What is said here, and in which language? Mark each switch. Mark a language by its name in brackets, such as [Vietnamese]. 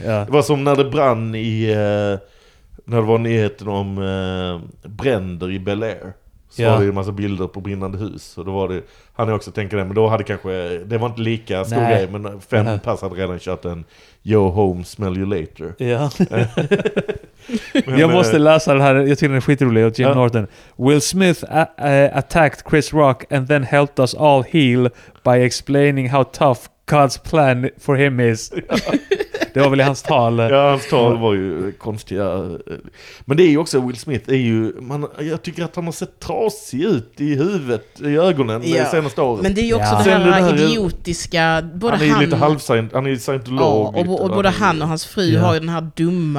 [Swedish] Det var som när det brann i... när det var nyheten om bränder i Bel Air. Så var det ju en massa bilder på brinnande hus. Och då var det... Han är också tänkt det, men då hade kanske... Det var inte lika stor grej, men fem pass hade redan kört en Yo Home, Smell You Later. Ja. Men, jag måste läsa det här. Jag tycker den är skitrolig, Jim Norton. [English] Will Smith attacked Chris Rock and then helped us all heal by explaining how tough God's plan for him is. [Swedish] Det var väl i hans tal. Ja, hans tal var ju konstiga. Men det är ju också, Will Smith är ju... Man, jag tycker att han har sett trasig ut i huvudet, i ögonen det senaste året. Men det är ju också det här idiotiska... Både han är lite halvscient, han är scientolog. Ja, och både han och hans fru har ju den här dumma...